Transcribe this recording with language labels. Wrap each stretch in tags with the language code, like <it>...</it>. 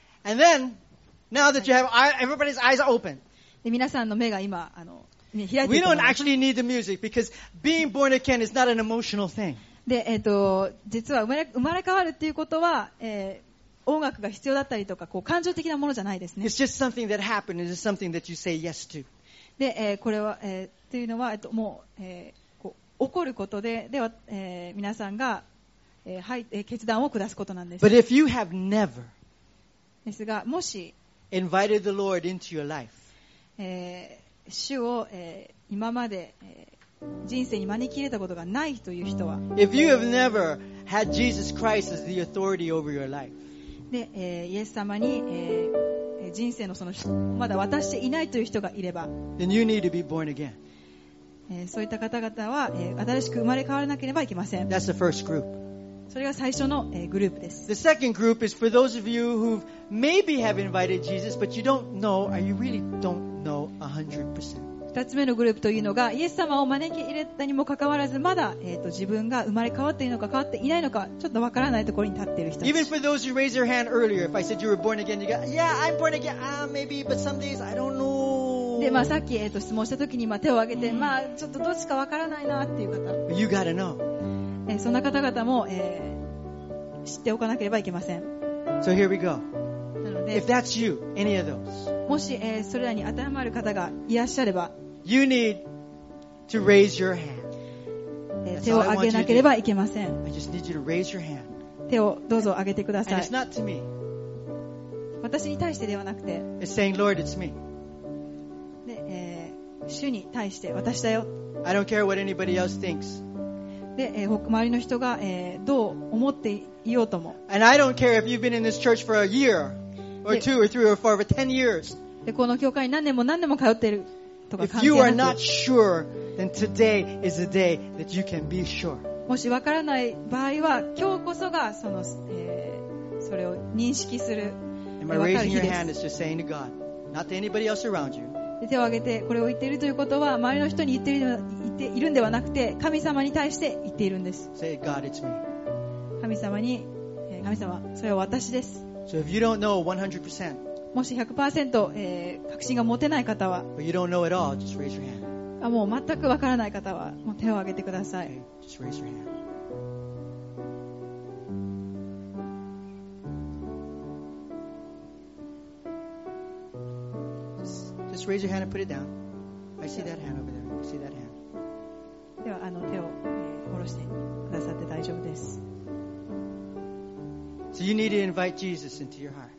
<en>And then, now that you have everybody's eyes open.</en> <ja>で、皆さんの目が今、開いてます。</ja> <en>We don't actually need the music because being born again is not an emotional thing.</en> <ja>で、実は生まれ変わるっていうことは、音楽が必要だったりとか、こう、感情的なものじゃないですね。</ja> <en>It's just something that happened. It's just something that you say yes to.</en> <ja>で、これは、というのは、もう、こう、起こることで、では、皆さんが、はい、決断を下すことなんです。</ja> <en>But if you have never,</en> <ja>ですがもし</ja> <en>invited the Lord into your life.</en> <ja>主を、今まで、人生に招き入れたことがないという人は</ja> <en>If you have never had Jesus Christ as the authority over your life.</en> <ja>で、イエス様に、人生のそのまだ渡していないという人がいれば</ja> <en>Then you need to be born again.</en> <ja>そういった方々は、新しく生まれ変わらなければいけません。</ja> <en>That's the first group.</en> <ja>それが最初の、グループです。</ja> <en>The second group is for those of you who maybe have invited Jesus, but you don't know, or you really don't know 100%.</en> <ja>二つ目のグループというのが、イエス様を招き入れたにもかかわらず、まだ、自分が生まれ変わっているのか変わっていないのか、ちょっとわからないところに立っている人たち。</ja> <en>Even for those who raised your hand earlier, if I said you were born again, you go, yeah, I'm born again, maybe, but some days I don't know.</en> <ja>でまあ、さっき、質問した時に、まあ、手を挙げて、まあ、ちょっとどっちかわからないなっていう方</ja> <en>you gotta know.</en> <ja>そんな方々も、知っておかなければいけません。</ja> <en>So here we go.</en> <ja>なので</ja> <en>If that's you, any of those.</en> <ja>もし、それらに当てはまる方がいらっしゃれば</ja> <en>You need to raise your hand.</en> <ja>手を上げなければいけません。</ja> <en>I just need you to raise your hand.</en> <ja>手をどうぞ上げてください。</ja> <en>And it's not to me.</en> <ja>私に対してではなくて。</ja> <en>It's saying, Lord, it's me.</en> <ja>で、主に対して私だよ。</ja> <en>I don't care what anybody else thinks.</en> <ja>で、周りの人が、どう思っていようとも。</ja> <en>And I don't care if you've been in this church for a year, or two, or three, or four, or ten years.</en> <ja>で、この教会に何年も何年も通ってるとか関係なく。</ja> <en>If you are not sure, then today is the day that you can be sure.</en> <ja>もしわからない場合は、今日こそがその、それを認識する。</ja> <en>Am I raising your hand? It's just saying to God, not to anybody else around you.</en> <ja>手を挙げてこれを言っているということは周りの人に言っているんではなくて神様に対して言っているんです。</ja> <en>Say, God, it's me.</en> <ja>神様に、神様、それは私です。</ja> <en>So、if you don't know 100%,</en> <ja>もし 100%、確信が持てない方は、</ja> <en>you don't know at all, just raise your hand.</en> <ja>あ、もう全くわからない方はもう手を挙げてください。</ja> <en>Okay. Just raise your hand. Raise your hand and put it down. I see that hand over there. I see that hand.</en> <ja>ではあの手を、下ろしてくださって大丈夫です。</ja> <en>So you need to invite Jesus into your heart.</en>